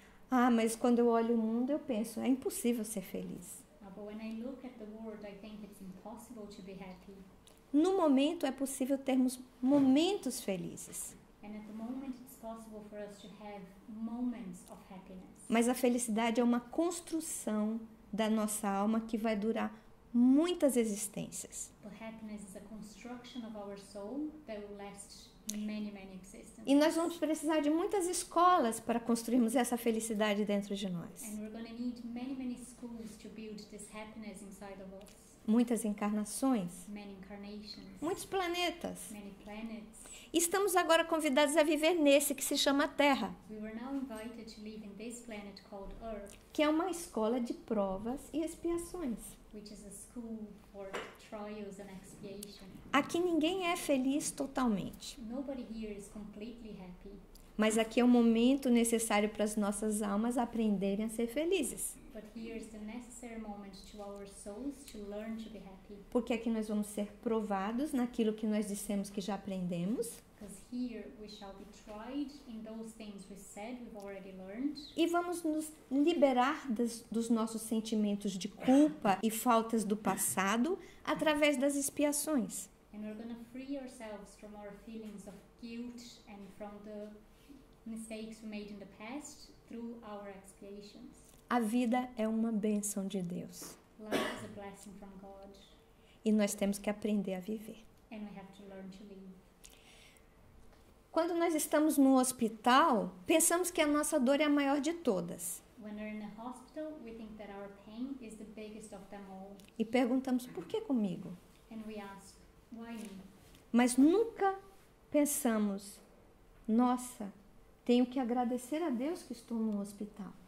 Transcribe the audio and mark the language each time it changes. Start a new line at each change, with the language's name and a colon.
Portuguese: Ah, mas quando eu olho o mundo, eu penso, é impossível ser feliz.
English: But when I look at the world, I think it's impossible to be happy.
Portuguese: No momento é possível termos momentos felizes.
English: And at the moment it's possible for us to have moments of happiness.
Portuguese: Mas a felicidade é uma construção da nossa alma que vai durar muitas existências.
English: But happiness is a construction of our soul that will last many, many existences.
Portuguese: E nós vamos precisar de muitas escolas para construirmos essa felicidade dentro de nós.
English: And we're going to need many, many schools to build this happiness inside of us.
Portuguese: Muitas encarnações,
English: many incarnations,
Portuguese: muitos planetas.
English: Many planets.
Portuguese: Estamos agora convidados a viver nesse que se chama Terra,
English: we were now invited to live in this planet called Earth,
Portuguese: que é uma escola de provas e expiações.
English: Which is a school for trials and expiation.
Portuguese: Aqui ninguém é feliz totalmente.
English: Nobody here is completely happy.
Portuguese: Mas aqui é o momento necessário para as nossas almas aprenderem a ser felizes.
English: But here is the necessary moment to our souls to learn to be happy.
Portuguese: Porque aqui nós vamos ser provados naquilo que nós dissemos que já aprendemos.
English: Because here we shall be tried in those things we said we've already learned.
Portuguese: E vamos nos liberar dos nossos sentimentos de culpa e faltas do passado através das expiações.
English: And we're going to free ourselves from our feelings of guilt and from the mistakes we made in the past through our expiations.
Portuguese: A vida é uma bênção de Deus.
English: Life is a blessing from God.
Portuguese: E nós temos que aprender a viver.
English: And we have to learn to live.
Portuguese: Quando nós estamos no hospital, pensamos que a nossa dor é a maior de todas.
English: When we're in a hospital, we think that our pain is the biggest of them all.
Portuguese: E perguntamos por que comigo?
English: And we ask, why me?
Portuguese: Mas nunca pensamos, nossa, tenho que agradecer a Deus que estou no hospital.